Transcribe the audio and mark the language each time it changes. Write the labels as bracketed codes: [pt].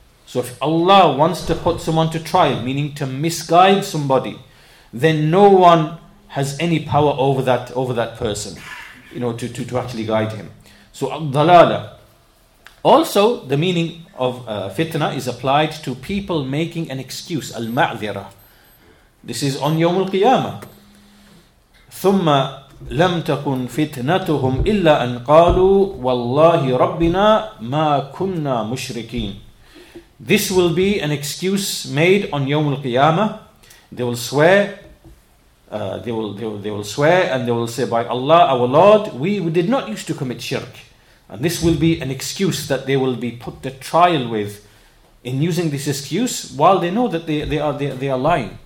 [en] So if Allah wants to put someone to trial, meaning to misguide somebody, then no one has any power over that person, you know, to actually guide him. So الضلالة. Also, the meaning of fitna is applied to people making an excuse, المعذرة. This is on يوم القيامة. [ar] ثم لم تكن فتنتهم إلا أن قالوا والله ربنا ما كنا مشركين. [en] This will be an excuse made on يوم القيامة. They will swear and they will say, by Allah our Lord, we did not used to commit shirk. And this will be an excuse that they will be put to trial with, in using this excuse while they know that they are lying.